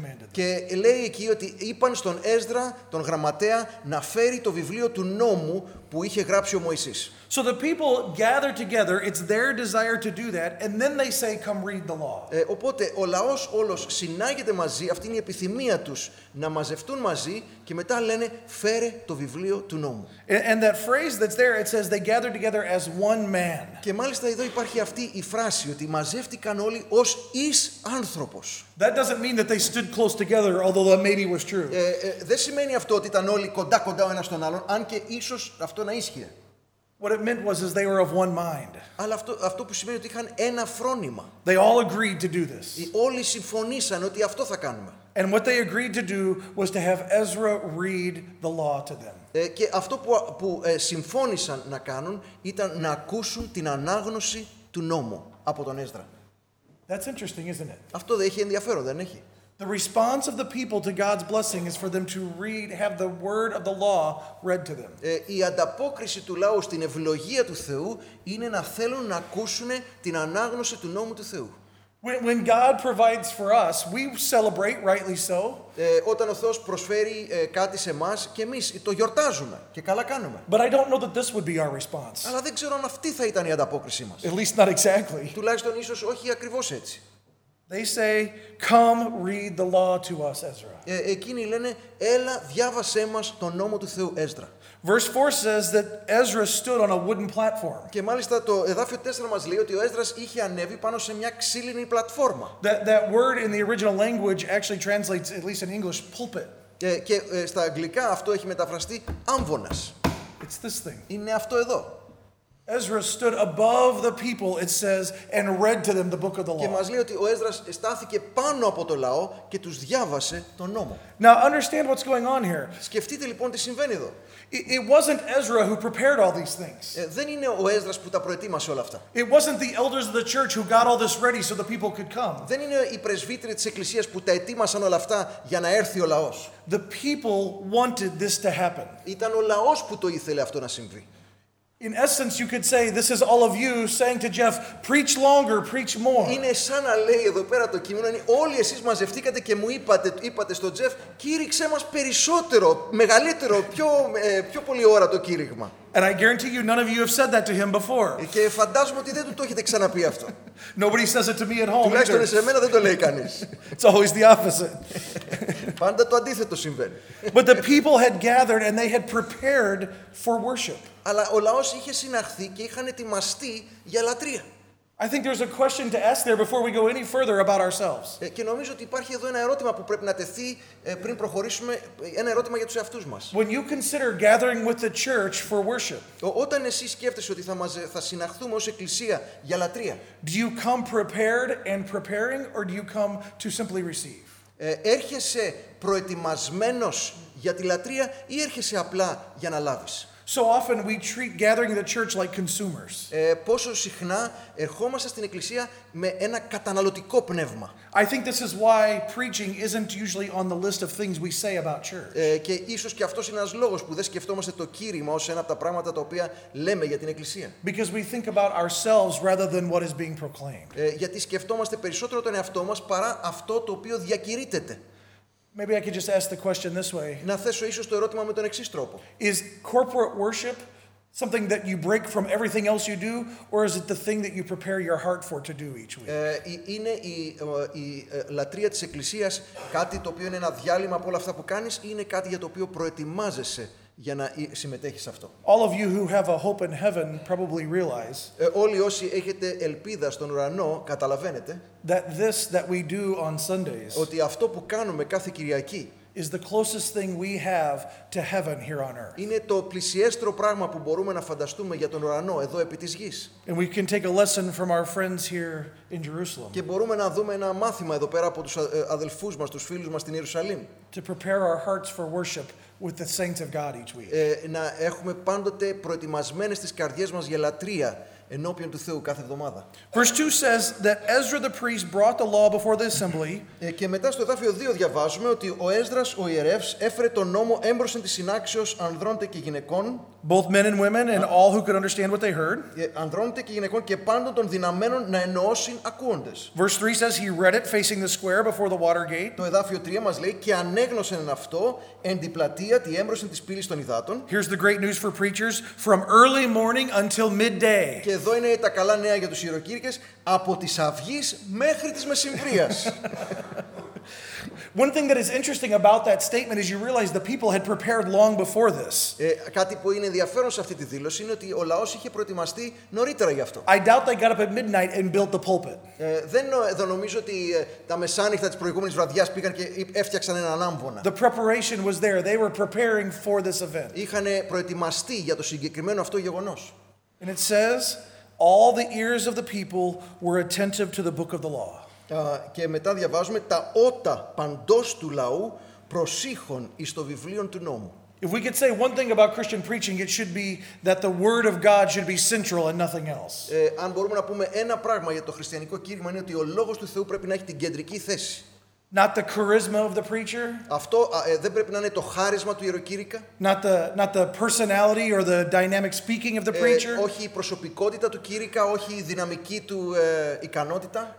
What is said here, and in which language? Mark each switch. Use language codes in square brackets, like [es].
[el] Και λέει εκεί ότι είπαν στον Έζρα, τον γραμματέα, να φέρει το βιβλίο του νόμου που είχε γράψει ο Μωυσής. [en] So the people gather together, it's their desire to do that, and then they say, come read the law. [el] Οπότε ο λαός όλος συνάγεται μαζί, αυτή είναι η επιθυμία τους, να μαζευτούν μαζί και μετά λένε, φέρε το βιβλίο του νόμου. [en] And that phrase that's there, it says they gather together as one man. [el] Και μάλιστα εδώ υπάρχει αυτή η φράση, ότι μαζεύτηκαν όλοι ως εις άνθρωπος. [en] That doesn't mean that they stood close together, although that maybe was true. [el] Δεν σημαίνει αυτό ότι ήταν όλοι κοντά-κοντά ο ένας τον άλλον, αν και ίσως αυτό να ίσχυε. [en] What it meant was is they were of one mind. [el] Αλλά αυτό που σημαίνει ότι είχαν ένα φρόνημα. [en] They all agreed to do this. [el] Όλοι συμφωνήσαν ότι αυτό θα κάνουμε. [en] And what they agreed to do was to have Ezra read the law to them. [el] Και αυτό που συμφώνησαν να κάνουν ήταν να ακούσουν την ανάγνωση του νόμου από τον Έζρα. [en] That's interesting, isn't it? [el] Αυτό δεν έχει ενδιαφέρον, δεν έχει. [en] The response of the people to God's blessing is for them to read, have the word of the law read to them. [el] Η ανταπόκριση του λαού στην ευλογία του Θεού είναι να θέλουν να ακούσουν την ανάγνωση του νόμου του Θεού. [en] When God provides for us, we celebrate, rightly so. [el] Όταν ο Θεός προσφέρει κάτι σε εμάς και εμείς το γιορτάζουμε και καλά κάνουμε. [en] But I don't know that this would be our response. [el] Αλλά δεν ξέρω αν αυτή θα ήταν η ανταπόκρισή μας. [en] At least not exactly. [el] Τουλάχιστον ίσως όχι ακριβώς έτσι. [en] They say, "Come read the law to us, Ezra." [el] Εκείνοι λένε, έλα διάβασέ μας τον νόμο του Θεού, Έζρα. [en] Verse 4 says that Ezra stood on a wooden platform. [el] Και μάλιστα το εδάφιο 4 μας λέει ότι ο Έζρας είχε ανέβει πάνω σε μια ξύλινη πλατφόρμα. [en] That word in the original language actually translates, at least in English, pulpit. [el] Και στα αγγλικά αυτό έχει μεταφραστεί άμβωνας. [en] It's this thing. [el] Είναι αυτό εδώ. [en] Ezra stood above the people, it says, and read to them the book of the law. [el] Και μας λέει ότι ο Έζρας στάθηκε πάνω από το λαό και τους διάβασε τον νόμο. [en] Now understand what's going on here. [el] Σκεφτείτε λοιπόν τι συμβαίνει εδώ. [en] It wasn't Ezra who prepared all these things. [el] Δεν είναι ο Έζρας που τα προετοίμασε όλα αυτά. [en] It wasn't the elders of the church who got all this ready so the people could come. [el] Δεν είναι οι πρεσβύτεροι της εκκλησίας που τα ετοίμασαν όλα αυτά για να έρθει ο λαός. [en] The people wanted this to happen. [el] Ήταν ο λαός που το ήθελε αυτό να συμβεί. [en] In essence, you could say this is all of you saying to Jeff, "Preach longer, preach more." [el] Είναι σαν να λέει εδώ πέρα το κείμενο, όλοι εσείς μαζευτήκατε και μου είπατε στον Jeff, κήρυξέ μας περισσότερο, μεγαλύτερο, πιο πολύ ώρα το κήρυγμα. [en] And I guarantee you, none of you have said that to him before. [el] Και φαντάζομαι ότι δεν του το έχετε ξαναπεί αυτό. [en] Nobody says it to me at home. [el] Τουλάχιστον σε μένα δεν το λέει κανείς. [en] It's always the opposite. [el] Πάντα το αντίθετο συμβαίνει. [en] But the people had gathered and they had prepared for worship. [el] Αλλά ο λαός είχε συναχθεί και είχαν ετοιμαστεί για λατρεία. [en] I think there's a question to ask there before we go any further about ourselves. [el] Και νομίζω ότι υπάρχει εδώ ένα ερώτημα που πρέπει να τεθεί πριν προχωρήσουμε, ένα ερώτημα για τους εαυτούς μας. [en] When you consider gathering with the church for worship, [el] όταν εσύ σκέφτεσαι ότι θα συναχθούμε ως εκκλησία για λατρεία, [en] do you come prepared and preparing, or do you come to simply receive? [el] Έρχεσαι προετοιμασμένος για τη λατρεία ή έρχεσαι απλά για να λάβεις? [en] So often we treat gathering the church like consumers. [el] Πόσο συχνά ερχόμαστε στην εκκλησία με ένα καταναλωτικό πνεύμα. [en] I think this is why preaching isn't usually on the list of things we say about church. [el] Και ίσως και αυτός είναι ένας λόγος που δεν σκεφτόμαστε το κήρυγμα ως ένα από τα πράγματα τα οποία λέμε για την εκκλησία. [en] Because we think about ourselves rather than what is being proclaimed. [el] Γιατί σκεφτόμαστε περισσότερο τον εαυτό μας παρά αυτό το οποίο διακηρύτεται. [en] Maybe I could just ask the question this way. [el] Να θέσω ίσως το ερώτημα με τον εξής τρόπο. [en] Is corporate worship something that you break from everything else you do, or is it the thing that you prepare your heart for to do each week? [el] Είναι η λατρεία της εκκλησίας κάτι το οποίο είναι ένα διάλειμμα από όλα αυτά που κάνεις, ή είναι κάτι για το οποίο προετοιμάζεσαι για να συμμετέχεις σε αυτό? [en] All of you who have a hope in heaven probably realize. [el] Όλοι όσοι έχετε ελπίδα στον ουρανό καταλαβαίνετε. [en] That this that we do on Sundays. [el] Ότι αυτό που κάνουμε κάθε Κυριακή. [en] Is the closest thing we have to heaven here on earth. [el] Είναι το πλησιέστερο πράγμα που μπορούμε να φανταστούμε για τον ουρανό εδώ επί της γης. [en] And we can take a lesson from our friends here in Jerusalem. [el] Και μπορούμε να δούμε ένα μάθημα εδώ πέρα από τους αδελφούς μας, τους φίλους μας στην Ιερουσαλήμ. [en] To prepare our hearts for worship with the saints of God each week. [el] Να έχουμε πάντοτε προετοιμασμένες τις καρδιές μας για λατρεία ενώπιον του Θεού κάθε εβδομάδα. [en] Verse 2 says that Ezra the priest brought the law before the assembly. [el] Και μετά στο εδάφιο 2 διαβάζουμε ότι ο Έσδρας ο ιερεύς έφερε τον νόμο έμπροσεν της συνάξεως ανδρώντε και γυναικών. [en] Both men and women and all who could understand what they heard. [el] Ανδρώντε και γυναικών και πάντων των δυναμένων να ενώσουν ακούοντες. [en] Verse 3 says he read it facing the square before the water gate. [el] Το εδάφιο 3 μας λέει και ανέγνωσεν αυτό εν την πλατεία τη έμπροσεν της πύλης των υδάτων. [en] Here's the great news for preachers from early morning until midday. [el] Και εδώ είναι τα καλά νέα για τους ιεροκήρυκες από τις αυγής μέχρι τις μεσημβρίας. [en] One thing that is interesting about that statement is you realize the people had prepared long before this. [el] Κάτι που είναι ενδιαφέρον σε αυτή τη δήλωση είναι ότι ο λαός είχε προετοιμαστεί νωρίτερα γι' αυτό. [en] I doubt they got up at midnight and built the pulpit. [el] Δεν νομίζω ότι τα μεσάνυχτα της προηγούμενης βραδιάς πήγαν και έφτιαξαν ένα άμβονα. [en] The preparation was there. They were preparing for this event. [el] Είχανε προετοιμαστεί για το συγκεκριμένο αυτό γεγονός. [en] And it says all the ears of the people were attentive to the book of the law. [el] Και μετά διαβάζουμε τα ότα παντός του λαού προσήχων εις το βιβλίο του νόμου. [en] If we could say one thing about Christian preaching, it should be that the word of God should be central and nothing else. [el] Αν μπορούμε να πούμε ένα πράγμα για το χριστιανικό κήρυγμα είναι ότι ο λόγος του Θεού πρέπει να έχει την κεντρική θέση. [en] Not the charisma of the preacher. [el] Αυτό δεν πρέπει να είναι το χάρισμα του ιεροκήρυκα. [en] Not the personality or the dynamic speaking of the preacher. [el] Όχι η προσωπικότητα του κήρυκα, όχι η δυναμική του ικανότητα.